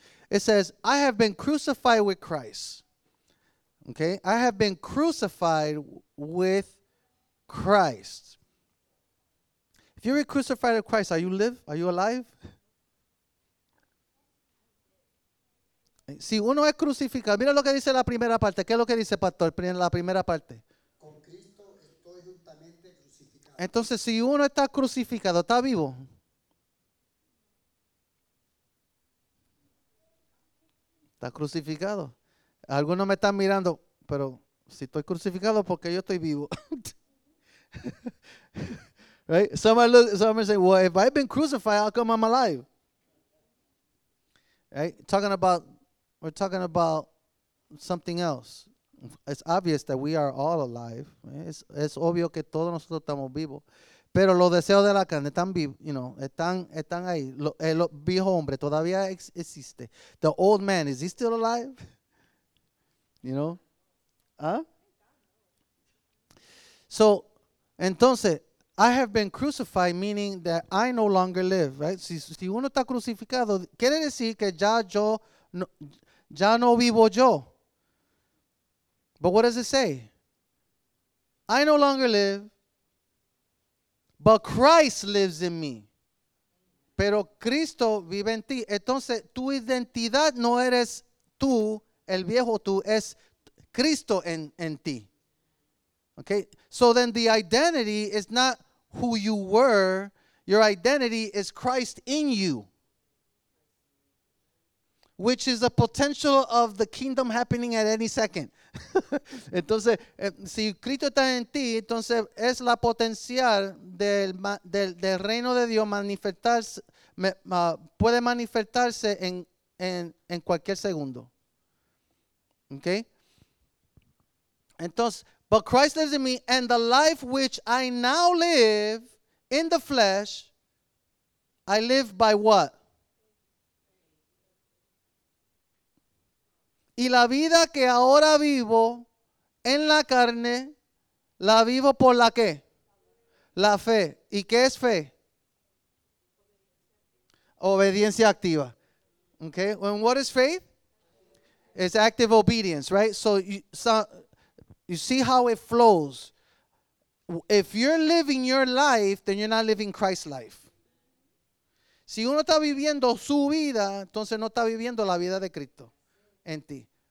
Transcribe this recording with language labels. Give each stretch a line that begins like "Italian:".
English: It says, I have been crucified with Christ. Okay? I have been crucified with Christ. If you're crucified with Christ, are you alive?
Spanish: Si uno es crucificado, mira lo que dice la primera parte. ¿Qué es lo que dice, pastor, en la primera parte? Con Cristo estoy juntamente crucificado. Entonces, si uno está crucificado, ¿está vivo? Está crucificado. Algunos me están mirando, pero si estoy crucificado, ¿por qué yo estoy vivo?
English: Right? Some are saying, well, if I've been crucified, how come I'm alive? Right? We're talking about something else. It's obvious that we are all alive.
Spanish: Es obvio que todos nosotros estamos vivos. Pero los deseos de la carne están vivos, you know, están ahí. El viejo hombre todavía existe.
English: The old man, is he still alive? You know? Huh? So, entonces, I have been crucified, meaning that I no longer live, right?
Spanish: Si uno está crucificado, quiere decir que ya no vivo yo.
English: But what does it say? I no longer live, but Christ lives in me.
Spanish: Pero Cristo vive en ti. Entonces, tu identidad no eres tú, el viejo tú, es Cristo en ti.
English: Okay? So then the identity is not who you were. Your identity is Christ in you. Which is the potential of the kingdom happening at any second.
Spanish: Entonces, si Cristo está en ti, entonces es la potencial del reino de Dios manifestarse, puede manifestarse en cualquier segundo.
English: Okay? Entonces, but Christ lives in me, and the life which I now live in the flesh, I live by what?
Spanish: Y la vida que ahora vivo en la carne, la vivo por la qué? La fe. ¿Y qué es fe? Obediencia activa.
English: Okay. And what is faith? It's active obedience, right? So you see how it flows. If you're living your life, then you're not living Christ's life.
Spanish: Si uno está viviendo su vida, entonces no está viviendo la vida de Cristo en ti.